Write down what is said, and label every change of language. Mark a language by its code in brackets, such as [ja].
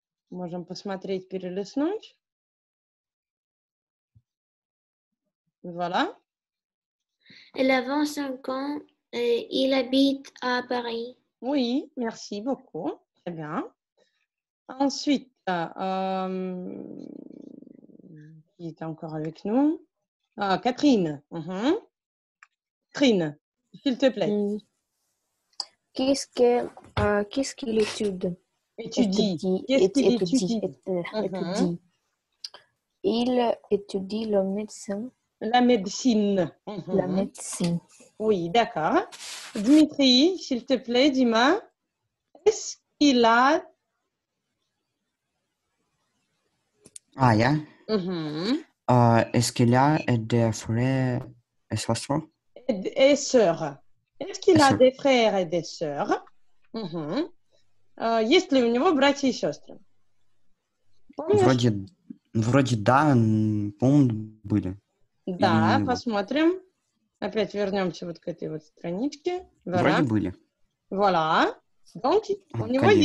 [ru] Можем посмотреть, перелистнуть. [fr] Voilà. Elle a 25 ans et il habite à Paris. Oui, merci beaucoup. Très bien. Ensuite, qui est encore avec nous? Ah, Catherine. Catherine, s'il te plaît. Qu'est-ce qu'il étudie? Étudie. Qu'est-ce qu'il étudie? Étudie. Il étudie le médecin. La médecine. La médecine. Oui, d'accord. Dimitri, s'il te plaît, dis-moi, est-ce qu'il a... Ah, yeah. Mm-hmm. Est-ce qu'il a des frères et sœurs? Et sœurs. Est-ce qu'il a des frères et des sœurs? Mm-hmm. [ru] Есть ли у него братья и сестры? Вроде да, помню, были. Да, и... посмотрим. Опять вернемся вот к этой вот страничке. Voilà. Вроде были. [fr] Voilà. [ru] Donc, у него Калин.